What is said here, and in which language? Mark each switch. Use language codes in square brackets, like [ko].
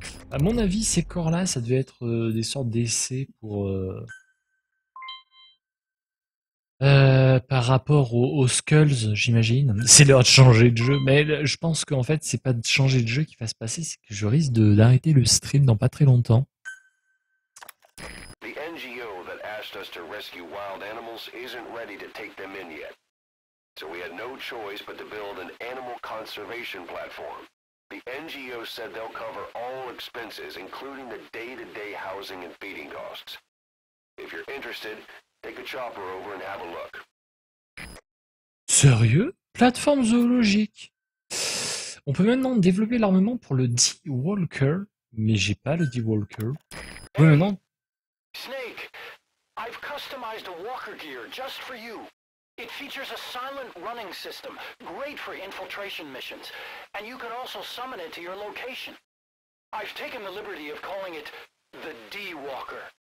[fr] À mon avis, ces corps-là, ça devait être des sortes d'essais pour. Par rapport aux Skulls, j'imagine. C'est l'heure de changer de jeu. Mais je pense qu'en fait, c'est pas de changer de jeu qui va se passer, c'est que je risque d'arrêter le stream dans pas très longtemps. [en] The NGO that asked us to rescue wild animals isn't ready to take them in yet. So we had no choice but to build an animal conservation platform. The NGO said they'll cover all expenses, including the day-to-day housing and feeding costs. If you're interested, take a chopper over and have a look. [fr] Sérieux? Plateforme zoologique. On peut maintenant développer l'armement pour le D-Walker, mais j'ai pas le D-Walker. Oui, maintenant. [en] Snake, I've customized a walker gear just for you. It features a silent running system, great for infiltration missions, and you can also summon it to your location. I've taken the liberty of calling it the D-Walker.